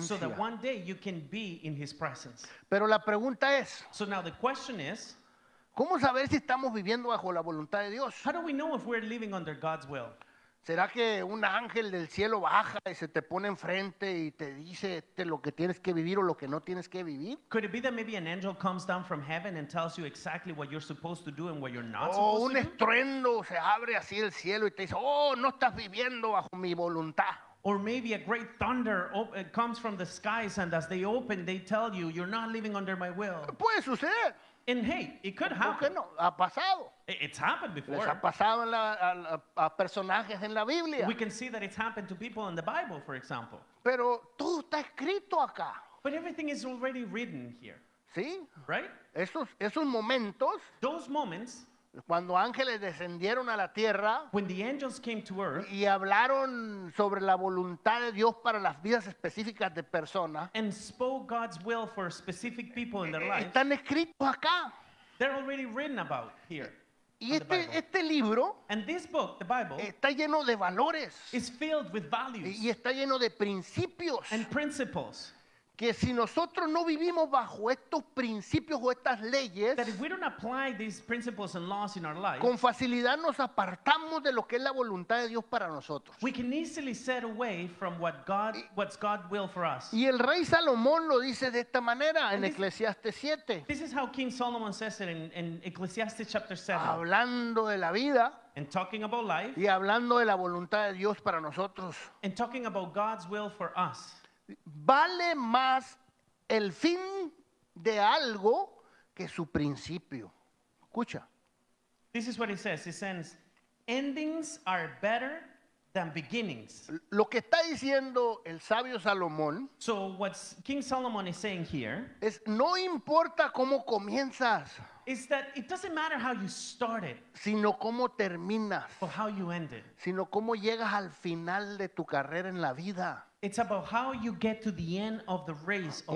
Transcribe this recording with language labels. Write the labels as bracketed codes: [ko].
[en] so that one day you can be in His presence. [es] Pero la pregunta es, [en] so now the question is, [es] ¿cómo saber si estamos viviendo bajo la voluntad de Dios? [en] How do we know if we're living under God's will? [es] ¿Será que un ángel del cielo baja y se te pone enfrente y te dice lo que tienes que vivir o lo que no tienes que vivir? [en] Could it be that maybe an angel comes down from heaven and tells you exactly what you're supposed to do and what you're not supposed to do? [es] O un estruendo se abre así el cielo y te dice, oh, no estás viviendo bajo mi voluntad. [en] Or maybe a great thunder comes from the skies and as they open, they tell you, you're not living under my will. [es] Puede suceder. [en] And hey, it could happen. [es] ¿Por qué no? Ha pasado. [en] It's happened before. [es] Les ha pasado en a personajes en la Biblia. [en] We can see that it's happened to people in the Bible, for example. [es] Pero todo está escrito acá. [en] But everything is already written here. [es] ¿Sí? [en] Right? [es] Esos momentos. [en] Those moments. [es] Cuando ángeles descendieron a la tierra. [en] When the angels came to earth. [es] Y hablaron sobre la voluntad de Dios para las vidas específicas de personas. [en] And spoke God's will for specific people in their lives. [es] Están escritos acá. [en] They're already written about here. [es] Y este libro. [en] And this book, the Bible. [es] Está lleno de valores. [en] Is filled with values. [es] Y está lleno de principios. [en] And principles. [es] Que si nosotros no vivimos bajo estos principios o estas leyes, [en] that if we don't apply these principles and laws in our life, [es] con facilidad nos apartamos de lo que es la voluntad de Dios para nosotros. [en] We can easily set away from what's God's will for us. [es] Y el rey Salomón lo dice de esta manera en Eclesiastes 7. [en] This is how King Solomon says it in Ecclesiastes chapter 7. [es] Hablando de la vida. [en] And talking about life. [es] Y hablando de la voluntad de Dios para nosotros. [en] And talking about God's will for us. [es] Vale más el fin de algo que su principio. Escucha. [en] This is what it says. It says, endings are better than beginnings. [es] Lo que está diciendo el sabio Salomón. [en] So what King Solomon is saying here. [es] Es no importa cómo comienzas. [en] Is that it doesn't matter how you started. [es] Sino cómo terminas. [en] Or how you ended. [es] Sino cómo llegas al final de tu carrera en la vida. [en] It's about how you get to the end of the race of